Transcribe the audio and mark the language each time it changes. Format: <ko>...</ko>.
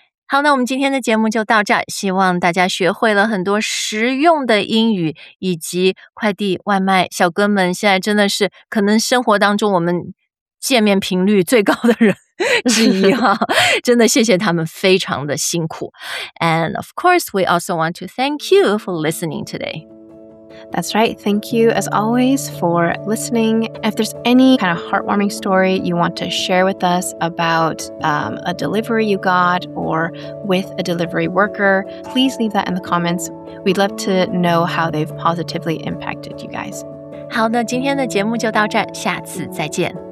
<zh>好那我们今天的节目就到这儿希望大家学会了很多实用的英语以及快递外卖小哥们现在真的是可能生活当中我们见面频率最高的人之一哈真的谢谢他们非常的辛苦。</zh> <en>And of course, we also want to thank you for listening today. That's right. Thank you, as always, for listening. If there's any kind of heartwarming story you want to share with us about a delivery you got or with a delivery worker, please leave that in the comments. We'd love to know how they've positively impacted you guys.</en> <zh>好的，今天的节目就到这儿，下次再见。</zh>